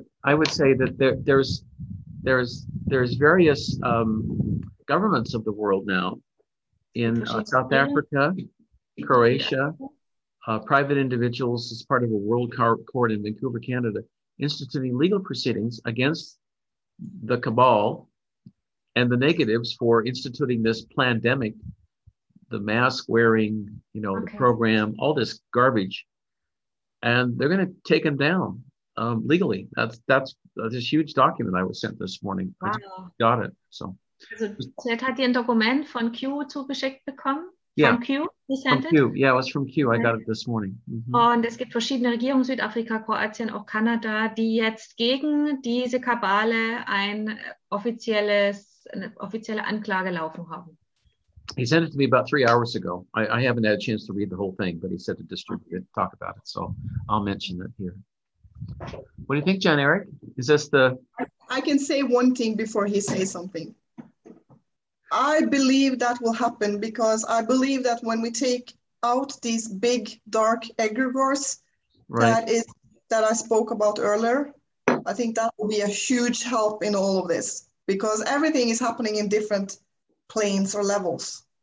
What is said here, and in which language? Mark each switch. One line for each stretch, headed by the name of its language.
English: I would say that there's various governments of the world now in South Africa, Croatia, private individuals as part of a world court in Vancouver, Canada, instituting legal proceedings against the cabal and the negatives for instituting this pandemic. The mask wearing, the program, all this garbage. And they're going to take them down legally. That's this huge document I was sent this morning. Wow. I just got it. So,
German: Ted hat ihr ein Dokument von Q zugeschickt bekommen?
English: Yeah. From Q? Yeah, it was from Q. I got it this morning. Mm-hmm.
German: Und es gibt verschiedene Regierungen, Südafrika, Kroatien, auch Kanada, die jetzt gegen diese Kabale eine offizielle Anklage laufen haben.
English: He sent it to me about 3 hours ago. I haven't had a chance to read the whole thing, but he said to distribute it, talk about it. So I'll mention it here. What do you think, John Eric? Is this the... I can say one thing before he says something. I believe that will happen because I believe that when we take out these big dark egregores that I spoke about earlier, I think that will be a huge help in all of this because everything is happening in different planes or levels.